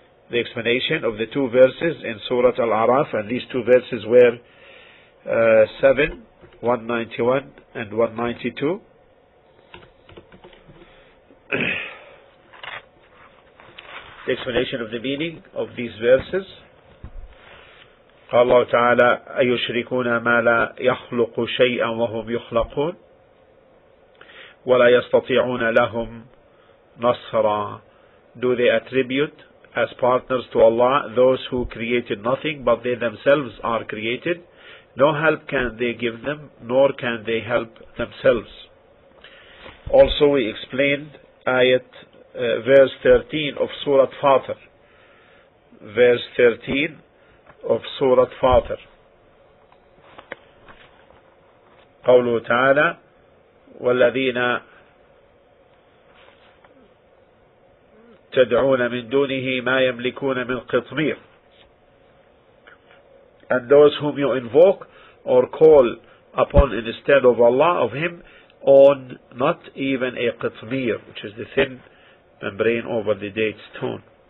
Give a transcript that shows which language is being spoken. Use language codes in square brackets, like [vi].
[en] The explanation of the two verses in Surah Al-A'raf, and these two verses were 7, 191 and 192. The explanation of the meaning of these verses. [ar] قال الله تعالى أيشركون ما لا يخلق شيئا وهم يخلقون ولا يستطيعون لهم نصرا. [en] Do they attribute as partners to Allah those who created nothing, but they themselves are created? No help can they give them, nor can they help themselves. Also, we explained ayat verse 13 of Surah Fatir. Verse 13 of Surah Fatir. [ar] قوله تعالى والذين تدعون من دونه ما يملكون من قطمير. [en] And those whom you invoke or call upon instead of Allah, of him, on not even a qitmir, which is the thin membrane over the date stone.